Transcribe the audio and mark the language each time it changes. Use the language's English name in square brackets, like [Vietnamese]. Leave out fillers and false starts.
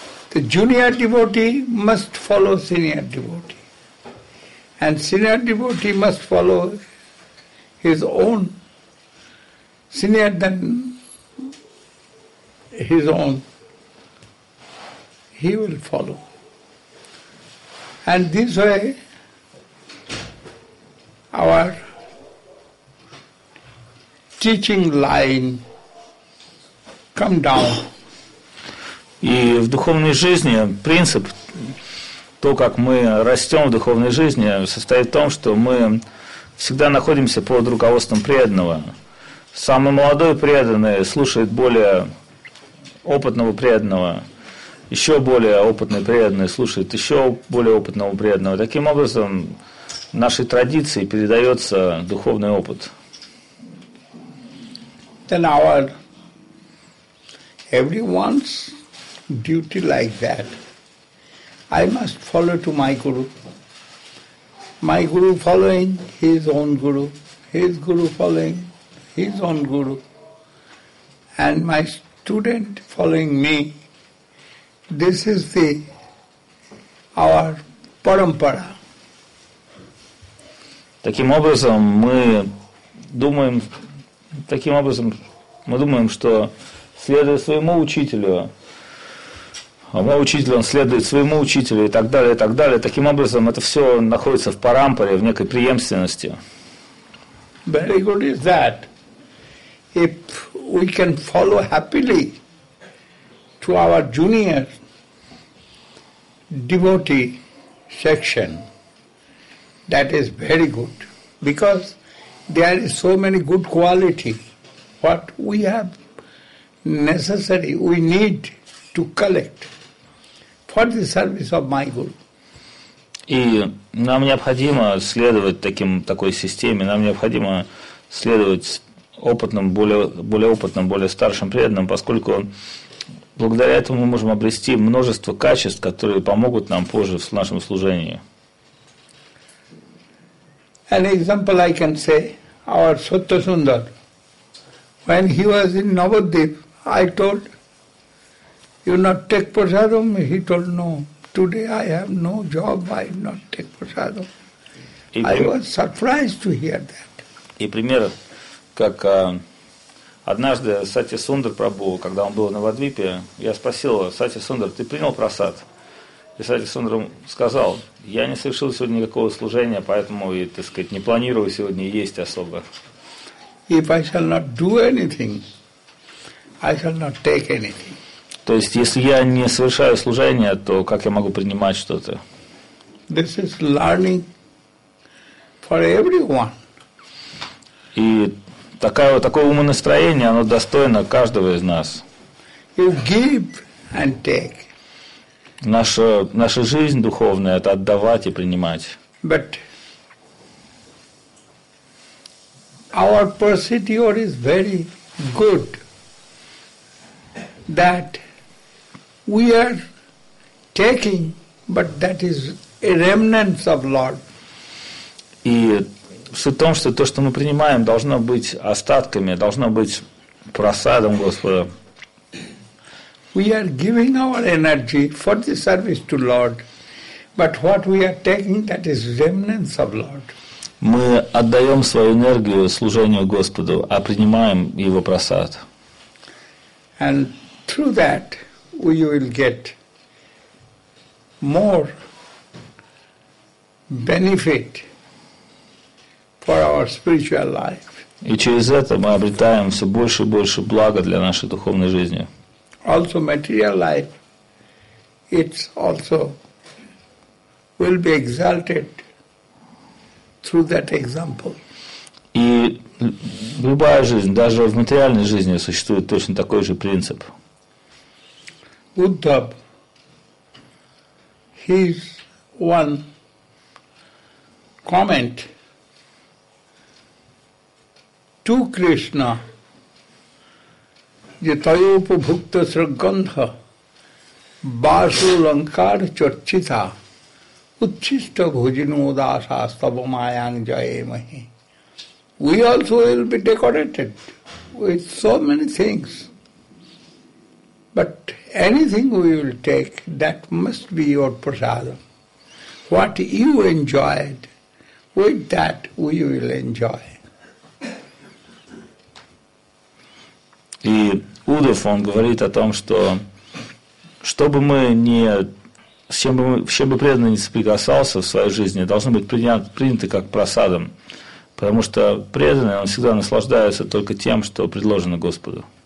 [English] The junior devotee must follow senior devotee, and senior devotee must follow his own senior than his own, he will follow. And this way, our teaching line come down. [Russian] И в духовной жизни принцип, то, как мы растем в духовной жизни, состоит в том, что мы всегда находимся под руководством преданного. Самый молодой преданный слушает более опытного преданного, еще более опытный преданный слушает еще более опытного преданного. Таким образом, нашей традиции передается духовный опыт. [English] Then our everyone's duty like that. I must follow to my guru. My guru following his own guru. His guru following his own guru. And my student following me, this is the our parampara. [Russian] Таким образом, мы думаем, что следуя своему учителю, а мой учитель, он следует своему учителю и так далее, и так далее. Таким образом, это все находится в парампаре, в некой преемственности. [English] Very good is that. If we can follow happily to our junior devotee section, that is very good, because there is so many good quality what we have necessary, we need to collect for the service of my guru. [Russian] И нам необходимо следовать такой системе, нам необходимо следовать опытным, более опытным, более старшим преданным, поскольку благодаря этому мы можем обрести множество качеств, которые помогут нам позже в нашем служении. [English] An example I can say, our Sutta Sundar, when he was in Navadvip, I told, you not take prasadam? He told, no, today I have no job, I not take prasadam. I was surprised to hear that. [Russian] И пример, как однажды Сати Сундар Прабху, когда он был на Навадвипе, я спросил: Сати Сундар, ты принял прасад? И Сати Сундар сказал: я не совершил сегодня никакого служения, поэтому и, так сказать, не планирую сегодня есть особо. [English] If I shall not do anything, I shall not take anything. [Russian] То есть, если я не совершаю служения, то как я могу принимать что-то? [English] This is learning for everyone. [Russian] И такое умонастроение, оно достойно каждого из нас. [English] You give and take. [Russian] Наша жизнь духовная – это отдавать и принимать. [English] But our procedure is very good, that we are taking, but that is a remnant of Lord. [Russian] И суть в том, что то, что мы принимаем, должно быть остатками, должно быть просадом Господа. [English] We are giving our energy for the service to Lord, but what we are taking, that is remnants of Lord. [Russian] Мы отдаем свою энергию служению Господу, а принимаем Его просад. [English] And through that we will get more benefit for our spiritual life. [Russian] И через это мы обретаем все больше и больше блага для нашей духовной жизни. [English] Also material life, it's also will be exalted through that example. [Russian] И любая жизнь, даже в материальной жизни, существует точно такой же принцип. [English] Будда, his one comment to Krishna, [Sanskrit] Yatayopu Bhukta Sragandha Basu Lankar Chachita Uchista Bhujinodasa Stabamayang Jaya Mahi. [English] We also will be decorated with so many things. But anything we will take, that must be your prasadam. What you enjoyed, with that we will enjoy. [Russian] Удов, он говорит о том, что с чем бы преданный не соприкасался в своей жизни, должно быть принято как просадом, потому что преданный, он всегда наслаждается только тем, что предложено Господу.